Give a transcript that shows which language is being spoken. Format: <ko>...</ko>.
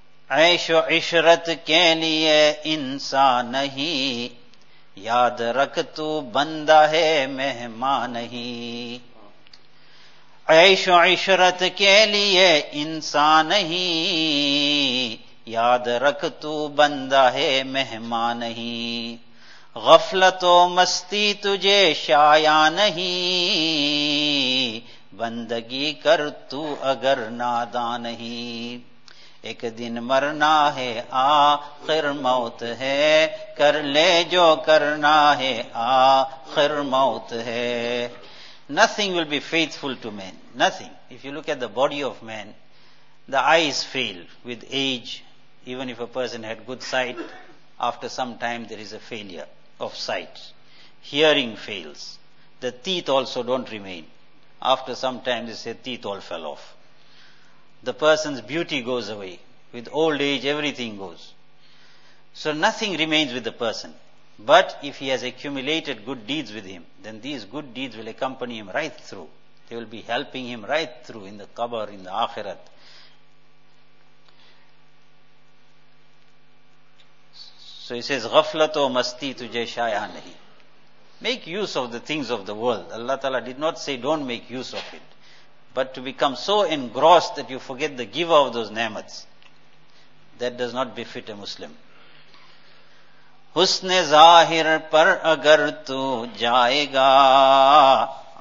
<ur>عیش و عشرت کے لیے انسان نہیں یاد رکھ تو بندہ ہے مہمان نہیں عیش و عشرت کے لیے انسان نہیں یاد رکھ تو بندہ ہے مہمان نہیں غفلت و مستی تجھے شایا نہیں بندگی کر تو اگر نادان نہیں ایک دن مرنا ہے آخر موت ہے کر لے جو کرنا ہے آخر موت ہے</ur> <en>Nothing will be faithful to man. Nothing. If you look at the body of man, the eyes fail with age. Even if a person had good sight, after some time there is a failure. Of sight. Hearing fails. The teeth also don't remain. After some time they say teeth all fell off. The person's beauty goes away. With old age everything goes. So nothing remains with the person. But if he has accumulated good deeds with him, then these good deeds will accompany him right through. They will be helping him right through in the qabr, in the akhirat. So he says,</en> <ur>غفلت و مستی تجھے شایا نہیں.</ur> <en>Make use of the things of the world. Allah Ta'ala did not say don't make use of it. But to become so engrossed that you forget the giver of those ni'mats. That does not befit a Muslim.</en> <ur>حسن ظاہر پر اگر تو جائے گا</ur>